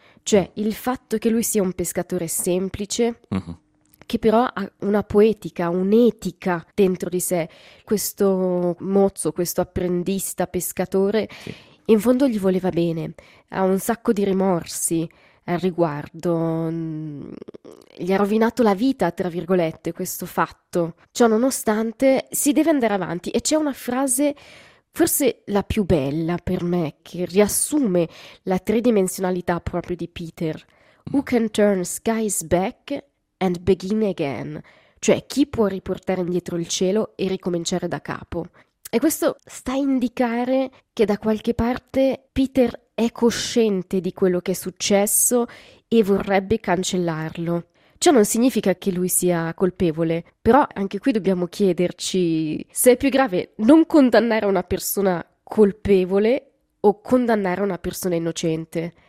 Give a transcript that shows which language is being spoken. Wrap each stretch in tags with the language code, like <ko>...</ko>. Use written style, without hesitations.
<it>Cioè, il fatto che lui sia un pescatore semplice, che però ha una poetica, un'etica dentro di sé, questo mozzo, questo apprendista pescatore, in fondo gli voleva bene, ha un sacco di rimorsi al riguardo, gli ha rovinato la vita, tra virgolette, questo fatto. Ciò nonostante, si deve andare avanti, e c'è una frase, forse la più bella per me, che riassume la tridimensionalità proprio di Peter.</it> <en>Who can turn skies back and begin again?</en> <it>Cioè, chi può riportare indietro il cielo e ricominciare da capo? E questo sta a indicare che da qualche parte Peter è cosciente di quello che è successo e vorrebbe cancellarlo. Ciò non significa che lui sia colpevole, però anche qui dobbiamo chiederci se è più grave non condannare una persona colpevole o condannare una persona innocente.</it>